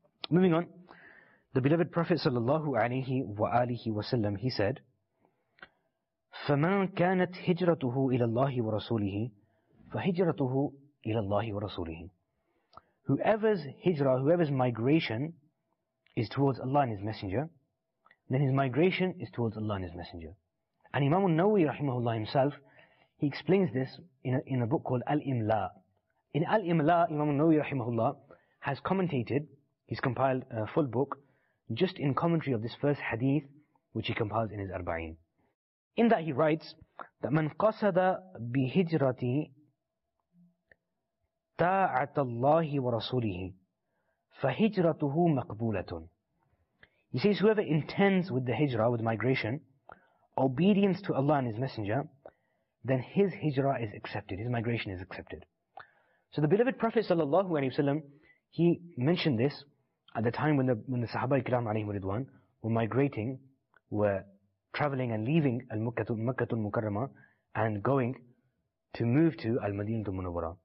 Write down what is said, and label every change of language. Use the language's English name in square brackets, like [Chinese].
[English] Moving on, the beloved Prophet sallallahu alayhi wa alihi wasallam, he said, [Arabic] فَمَنْ كَانَتْ هِجْرَتُهُ إِلَى اللَّهِ وَرَسُولِهِ [English] فَهِجْرَتُهُ إِلَى اللَّهِ وَرَسُولِهِ, whoever's hijrah, whoever's migration is towards Allah and His Messenger, then his migration is towards Allah and His Messenger. And Imam al-Nawawi rahimahullah himself, he explains this in a book called Al-Imla. In Al-Imla, Imam al-Nawawi rahimahullah has commentated, he's compiled a full book, just in commentary of this first hadith, which he compiles in his Arba'een. In that he writes, that [Arabic] من قصد بهجرتي طاعة الله ورسوله فهجرته مقبولة. [English] He says, whoever intends with the hijrah, with migration, obedience to Allah and His Messenger, then his hijrah is accepted, his migration is accepted. So the beloved Prophet sallallahu alaihi wasallam, he mentioned this at the time when the Sahaba ikram alayhi ridwan were migrating, were traveling and leaving Makkatul Mukarramah and going to move to Al-Madinatul Munawwara.